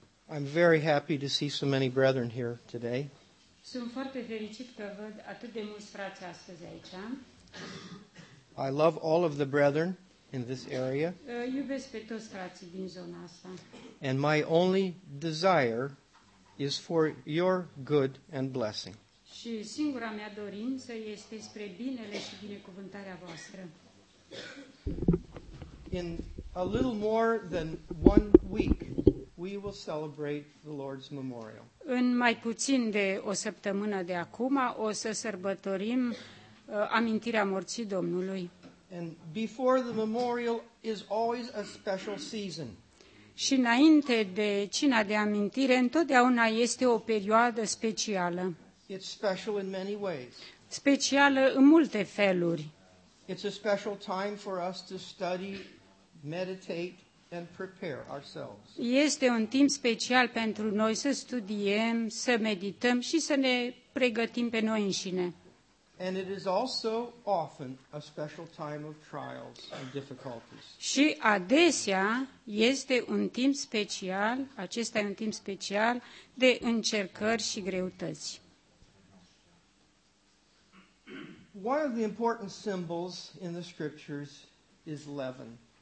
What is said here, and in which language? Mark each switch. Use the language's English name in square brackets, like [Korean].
[English] I'm very happy to see so many brethren here today. [Romanian] Sunt foarte fericit că văd atât de mulți frați astăzi aici. [English] I love all of the brethren in this area. [Romanian] Iubesc pe toți frații din zona asta. [English] And my only desire is for your good and blessing. [Romanian] Și singura mea dorință este spre binele și binecuvântarea voastră. [English] In a little more than one week, we will celebrate the Lord's Memorial. [Romanian] În mai puțin de o săptămână de acum, o să sărbătorim amintirea morții Domnului. [English] And before the memorial is always a special season. [Romanian] Și înainte de cina de amintire, întotdeauna este o perioadă specială. [English] It's special in many ways. [Romanian] Specială în multe feluri. [English] It's a special time for us to study, meditate, and prepare ourselves. [Romanian] Este un timp special pentru noi să studiem, să medităm și să ne pregătim pe noi înșine. [English] And it is also often a special time of trials and difficulties. [Romanian] Și adesea este un timp special, acesta e un timp special de încercări și greutăți. [English] One of the important symbols in the scriptures is leaven.